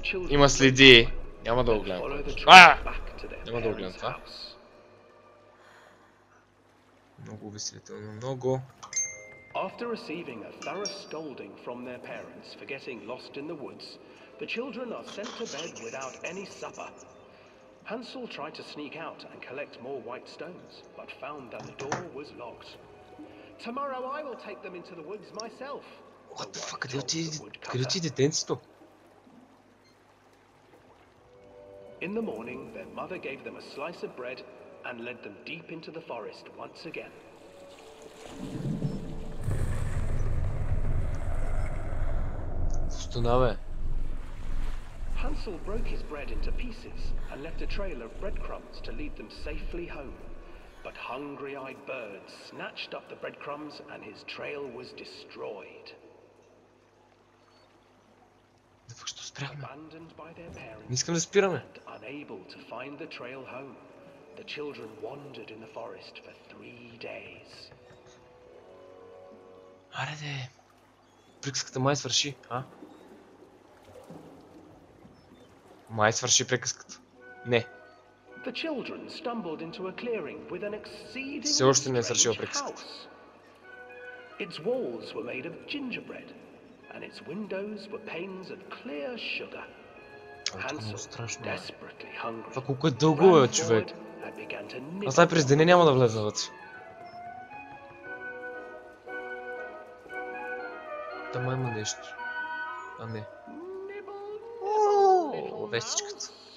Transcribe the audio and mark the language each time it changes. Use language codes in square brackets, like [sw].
[bg] Има следи. Няма да огледам. Няма да огледам това. Много увеселително, много. [en] After receiving a thorough scolding from their parents for getting lost in the woods, the children are sent to bed without any supper. Hansel tried to sneak out and collect more white stones, but found that the door was locked. Tomorrow I will take them into the woods myself. What the fuck? [bg] Къде оти, къде оти детенцето? [en] In the morning, their mother gave them a slice of bread and led them deep into the forest once again. [bg] Стана, бе. [en] Hansel broke his bread into pieces and left a trail of breadcrumbs to lead them safely home. But hungry-eyed birds snatched up the breadcrumbs and his trail was destroyed. [bg] Да фак, що спряхме? Не искам да спираме. [en] And unable to find the trail home, the children wandered in the forest for 3 days. [bg] Аре де, приказката май свърши, а? Май свърши приказката. Не. [en] The children stumbled into a clearing with an exceedingly strange house. [bg] Все още не е свършил приказката. [en] Its walls were made of gingerbread, and its windows were panes of clear sugar. Hansel, desperately hungry, ran forward and began to nibble. [bg] Аз тази през деня няма да влеза вътре. Там има нещо. А не. Ооо, вестичката.